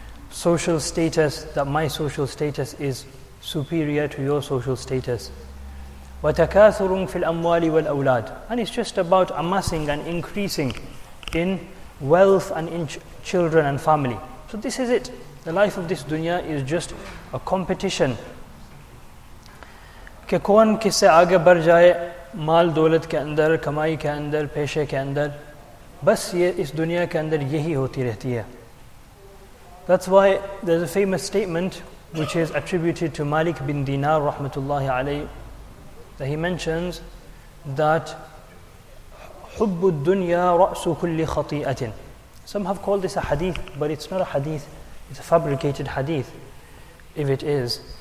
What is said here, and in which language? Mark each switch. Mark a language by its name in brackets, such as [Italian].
[English] Social status, that my social status is superior to your social status. [Arabic] وَتَكَاثُرٌ فِي الْأَمْوَالِ وَالْأَوْلَادِ, [English] and it's just about amassing and increasing in wealth and in children and family. So this is it. The life of this dunya is just a competition. [Urdu] کہ کون کس سے آگے بڑھ جائے مال دولت کے اندر, کمائی کے اندر, پیشے کے اندر. بس یہ اس دنیا کے اندر یہی ہوتی رہتی ہے. [English] That's why there's a famous statement which is attributed to Malik bin Dinar rahmatullahi alayhi, that he mentions that [Arabic] حُبُّ الدُّنْيَا رَأْسُ كُلِّ خَطِيئَةٍ. [English] Some have called this a hadith, but it's not a hadith, it's a fabricated hadith, if it is.